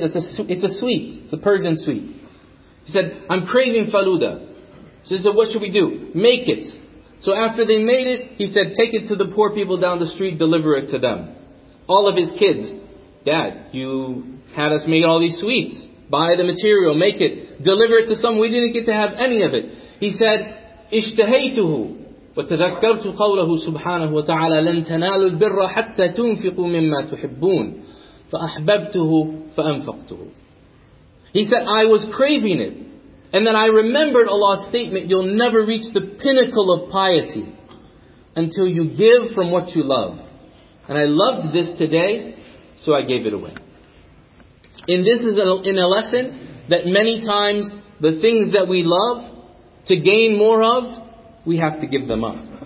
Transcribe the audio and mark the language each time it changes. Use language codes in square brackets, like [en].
[en] It's a sweet. It's a Persian sweet. He said, I'm craving faluda. So he said, what should we do? Make it. So after they made it, he said, take it to the poor people down the street, deliver it to them. All of his kids, Dad, you had us make all these sweets. Buy the material, make it, deliver it to some. We didn't get to have any of it. He said, [ar] اشتهيته وتذكرت قوله سبحانه وتعالى لن تنالوا البر حتى تنفقوا مما تحبون فأحببته فأنفقته. [en] He said, I was craving it. And then I remembered Allah's statement, you'll never reach the pinnacle of piety until you give from what you love. And I loved this today, so I gave it away. And this is in a lesson that many times the things that we love, to gain more of, we have to give them up.